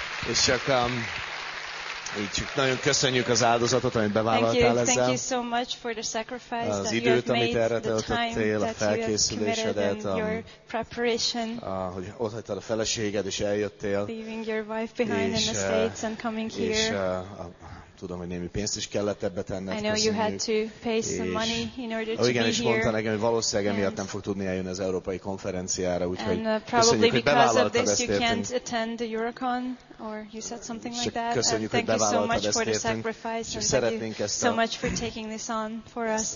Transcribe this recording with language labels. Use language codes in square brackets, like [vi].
[hu] És csak így csak nagyon köszönjük az áldozatot, amit bevállaltál ezzel. [en] Thank you so much for the sacrifice [hu] az időt, amit erre töltöttél, a felkészülésedet, hogy ott hagytál a feleséged, és eljöttél. [en] Leaving your wife behind in the States and coming here. [hu] És tudom, hogy némi pénzt is kellett ebbe tenned, köszönjük. [en] I know you had to pay some money in order to be here. [hu] Igen, és mondta nekem, hogy valószínűleg emiatt nem fog tudni eljönni az európai konferenciára, úgyhogy köszönjük, hogy bevállaltad ezt értünk. [en] You can't attend the Eurocon. Or you said something like that. [hu] Köszönjük, [en] and thank you so much for [hu] értünk. [en] The sacrifice and thank you so much for taking this on for us.